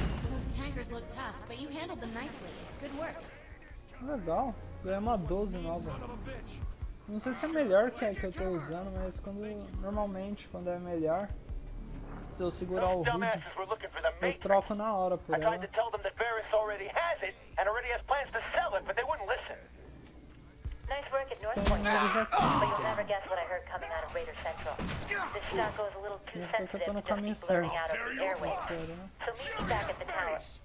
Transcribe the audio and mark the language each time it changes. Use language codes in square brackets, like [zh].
[en] Those tankers look tough, but you handled them nicely. Good work. [pt] Legal. Ganhei uma 12 nova. Não sei se é melhor que a que eu tô usando, mas quando normalmente, quando é melhor, se eu segurar o hood, eu troco na hora por ela. [en] I tried to tell them that Varys already has it, and already has plans to sell it, but they wouldn't listen. Nice work at North Point, but you'll never guess what I heard coming out of Raider Central. This shot goes a little too sensitive to just keep blurring out of the airway. So meet me back at the tower.